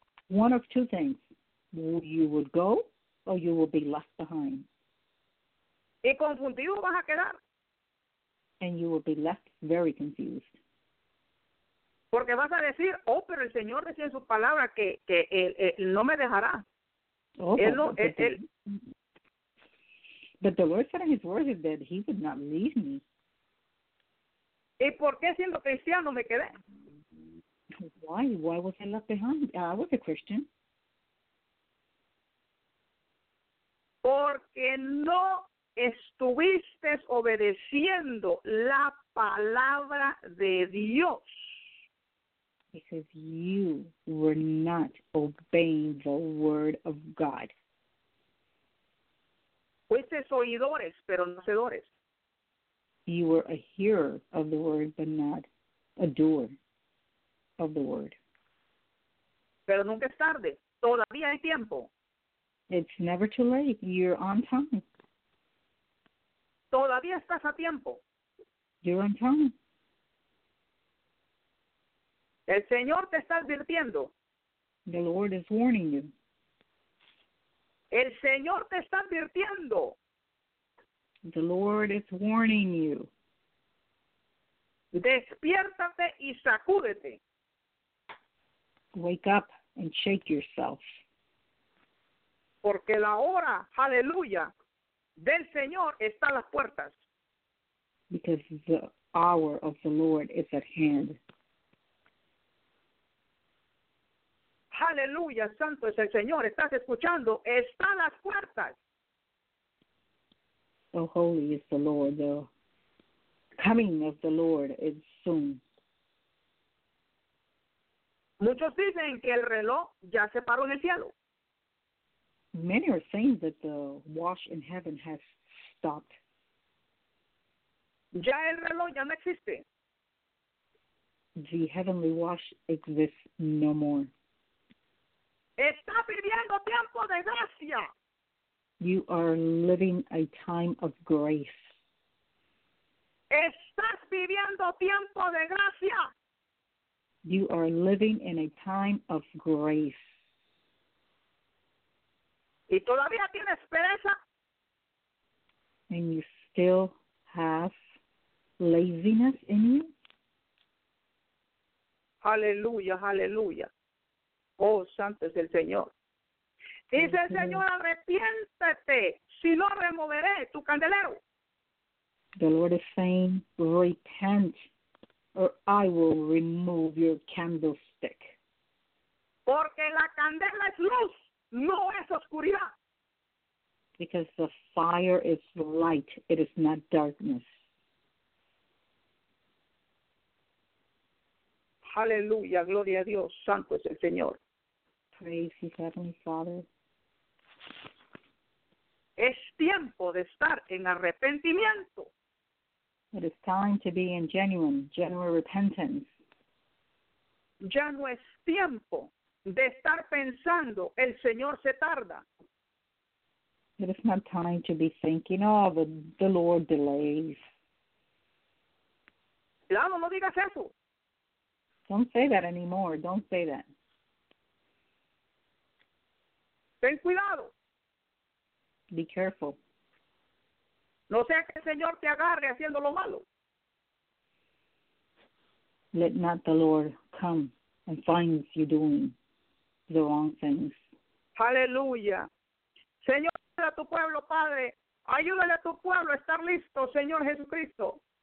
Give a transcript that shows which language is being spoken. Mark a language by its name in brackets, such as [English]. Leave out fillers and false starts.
[English] One of two things. You will go or you will be left behind. [Spanish] Y confundido vas a quedar. [English] And you will be left very confused. [Spanish] Porque vas a decir, oh, pero el Señor decía en su palabra que él no me dejará. Oh, él no, él, [English] but the Lord said in his word that he would not leave me. [Spanish] ¿Y por qué siendo cristiano me quedé? [English] Why was I left behind? I was a Christian. [Spanish] Porque no estuviste obedeciendo la palabra de Dios. [English] Because you were not obeying the word of God. [Spanish] Fuiste oidores, pero no hacedores. [English] You were a hearer of the word, but not a doer of the word. [Spanish] Pero nunca es tarde. Todavía hay tiempo. [English] It's never too late. You're on time. [Spanish] Todavía estás a tiempo. [English] You're on time. [Spanish] El Señor te está advirtiendo. [English] The Lord is warning you. [Spanish] El Señor te está advirtiendo. [English] The Lord is warning you. [Spanish] Despiértate y sacúdete. [English] Wake up and shake yourself. [Spanish] Porque la hora, aleluya, del Señor está a las puertas. [English] Because the hour of the Lord is at hand. [Spanish] Aleluya, santo es el Señor. Estás escuchando, está a las puertas. [English] Oh, holy is the Lord, the coming of the Lord is soon. [Spanish] Muchos dicen que el reloj ya se paró en el cielo. [English] Many are saying that the watch in heaven has stopped. [Spanish] Ya el reloj ya no existe. [English] The heavenly watch exists no more. [Spanish] Está pidiendo tiempo de gracia. [English] You are living a time of grace. [Spanish] Estás viviendo tiempo de gracia. [English] You are living in a time of grace. [Spanish] ¿Y todavía tienes pereza? [English] And you still have laziness in you? [Spanish] Aleluya, aleluya. Oh, santo es el Señor. Dice el Señor, arrepiéntete, si no removeré tu candelero. [English] The Lord is saying, repent, or I will remove your candlestick. [Spanish] Porque la candela es luz, no es oscuridad. [English] Because the fire is light, it is not darkness. [Spanish] Aleluya, gloria a Dios, santo es el Señor. [English] Praise his heavenly Father. [Spanish] Es tiempo de estar en arrepentimiento. [English] It is time to be in genuine repentance. [Spanish] Ya no es tiempo de estar pensando, el Señor se tarda. [English] It is not time to be thinking, oh, the Lord delays. [Spanish] Ya no digas eso. [English] Don't say that anymore. Don't say that. [Spanish] Ten cuidado. [English] Be careful. [Spanish] No sea que el Señor te agarre haciendo lo malo. [English] Let not the Lord come and find you doing the wrong things. [Spanish] Aleluya. Señor, ayúdale a tu pueblo, Padre. Ayúdale a tu pueblo a estar listo, Señor Jesucristo.